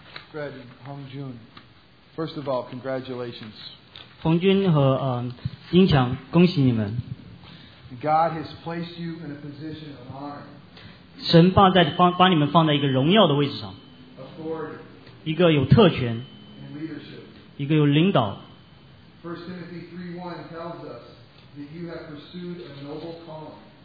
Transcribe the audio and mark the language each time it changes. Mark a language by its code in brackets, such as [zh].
[en] Fred and Hong Jun, first of all, congratulations. [zh] 红军和英强，恭喜你们。 [en] God has placed you in a position of honor. [zh] 神把你们放在一个荣耀的位置上。 [en] Authority. [zh] 一个有特权。 [en] And leadership. [zh] 一个有领导。 [en] First Timothy 3:1 tells us that you have pursued a noble calling.